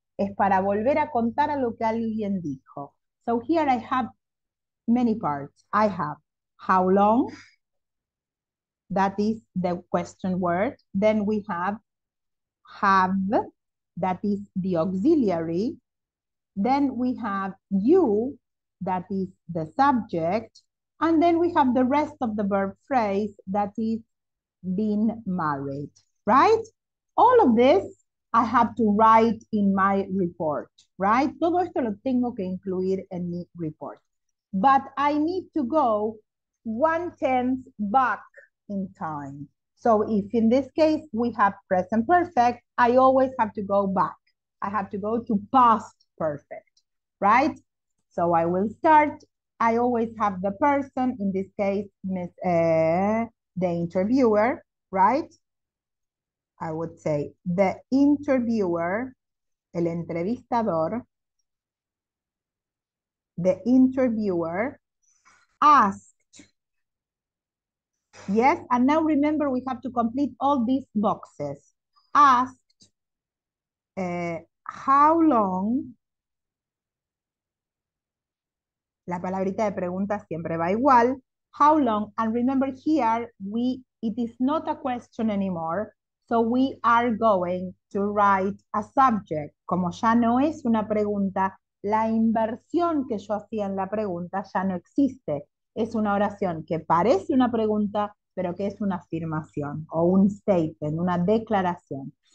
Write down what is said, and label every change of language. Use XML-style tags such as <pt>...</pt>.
<es>Es para volver a contar a lo que alguien dijo.</es> <en>So here I have many parts. I have how long, that is the question word. Then we have, that is the auxiliary. Then we have you, that is the subject. And then we have the rest of the verb phrase, that is been married, right? All of this I have to write in my report, right?</en> <es>Todo esto lo tengo que incluir en mi report.</es> <en>But I need to go one tenth back in time. So if in this case we have present perfect, I always have to go back. I have to go to past perfect, right? So I will start. I always have the person, in this case, Miss, the interviewer, right? I would say the interviewer,</en> <es>el entrevistador,</es> <en>the interviewer asked Yes, and now remember we have to complete all these boxes. Asked, how long?</en> <es>La palabrita de pregunta siempre va igual.</es> <en>How long? And remember here, it is not a question anymore. So we are going to write a subject.</en> <es>Como ya no es una pregunta, la inversión que yo hacía en la pregunta ya no existe. Es una oración que parece una pregunta, pero que es una afirmación o un statement, una declaración.</es>